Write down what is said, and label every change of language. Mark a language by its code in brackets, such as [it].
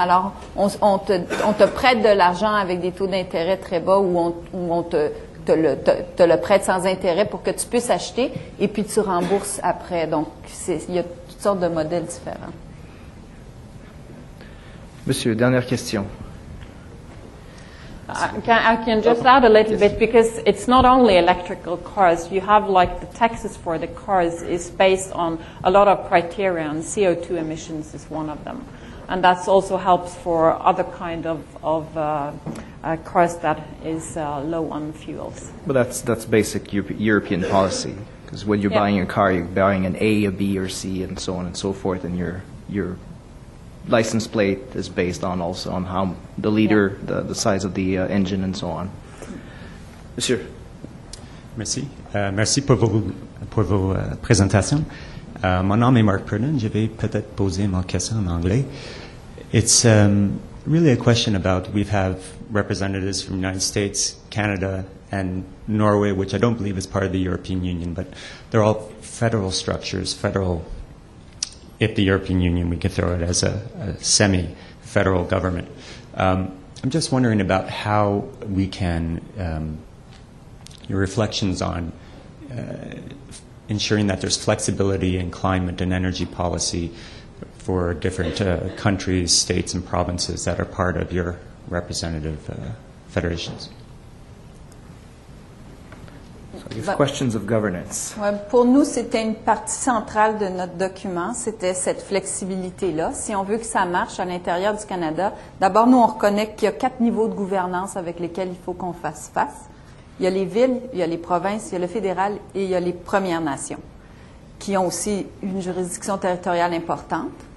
[fr] Alors, on te prête de l'argent avec des taux d'intérêt très bas ou on te le prête sans intérêt pour que tu puisses acheter et puis tu rembourses après. Donc, il y a toutes sortes de modèles différents. Monsieur, dernière question. [en] I can just add a little bit, because it's not only electrical cars. You have, like, the taxes for the cars is based on a lot of criteria, and CO2 emissions is one of them. And that also helps for other kind of cars that is low on fuels. Well, that's basic European policy, because when you're buying a car, you're buying an A, a B, or C, and so on and so forth, and your license plate is based on also on how the liter, the size of the engine, and so on. [fr] Monsieur. Merci. Merci pour vos présentations. Mon nom est Mark Prudin. Je vais peut-être poser ma question en anglais. [en] It's really a question about, we have representatives from the United States, Canada, and Norway, which I don't believe is part of the European Union, but they're all federal structures, federal, if the European Union, we could throw it as a semi-federal government. I'm just wondering about how we can, your reflections on ensuring that there's flexibility in climate and energy policy for different countries, states, and provinces that are part of your representative federations. Questions of governance. [fr] Ouais, pour nous, c'était une partie centrale de notre document, c'était cette flexibilité-là. Si on veut que ça marche à l'intérieur du Canada, d'abord, nous, on reconnaît qu'il y a 4 niveaux de gouvernance avec lesquels il faut qu'on fasse face. Il y a les villes, il y a les provinces, il y a le fédéral et il y a les Premières Nations, qui ont aussi une juridiction territoriale importante.